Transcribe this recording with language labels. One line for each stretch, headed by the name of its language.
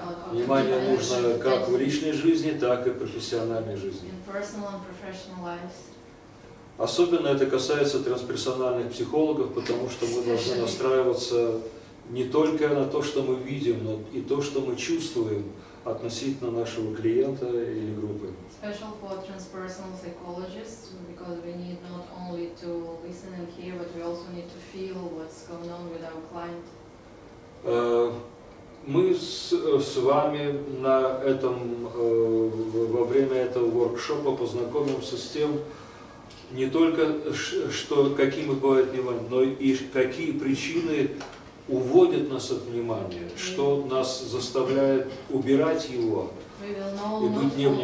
Russian: внимание нужно как в личной жизни, так и в профессиональной жизни.
English: In personal and professional lives.
Russian: Особенно это касается трансперсональных психологов, потому что мы должны настраиваться не только на то, что мы видим, но и то, что мы чувствуем относительно нашего клиента или группы.
English: Special for transpersonal psychologists, because we need not only to listen and hear, but we also need to feel what's going on with our client.
Russian: Мы с вами на этом во время этого воркшопа познакомимся с тем, не только что какими бывают внимания, но и какие причины уводят нас от внимания, что нас заставляет убирать его и быть